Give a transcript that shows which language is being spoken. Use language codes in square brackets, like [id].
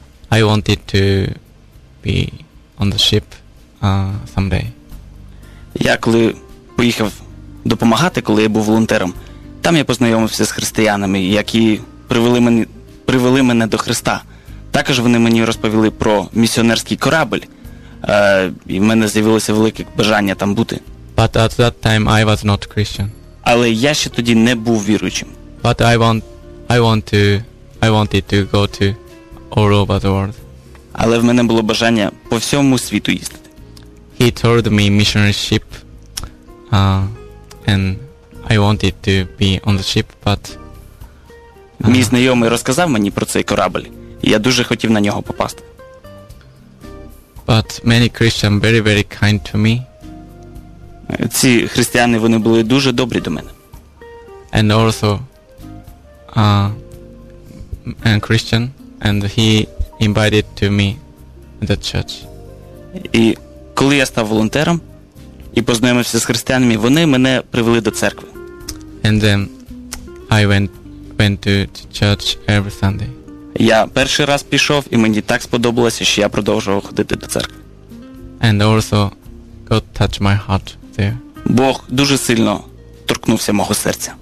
[en] I wanted to be on the ship someday. [uk] Я коли поїхав допомагати, коли я був волонтером, там я познайомився з християнами, які привели мене до Христа. Також вони мені розповіли про місіонерський корабель, і в мене з'явилося велике бажання там бути. [en] But at that time I was not Christian. [uk] Але я ще тоді не був віруючим. [en] But I wanted to go to all over the world. [uk] Але в мене було бажання по всьому світу їздити. [en] He told me missionary ship and I wanted to be on the ship, but [uk] мій знайомий розказав мені про цей корабль, і я дуже хотів на нього попасти. [en] But many Christians very very kind to me. [uk] Ці християни, вони були дуже добрі до мене. [en] And also and Christian, and he invited to me the church. [uk] І коли я став волонтером і познайомився з християнами, вони мене привели до церкви. [en] And then I went to church every Sunday. [uk] Я перший раз пішов, і мені так сподобалося, що я продовжував ходити до церкви. [en] And also God touched my heart. [uk] Бог дуже сильно торкнувся мого серця.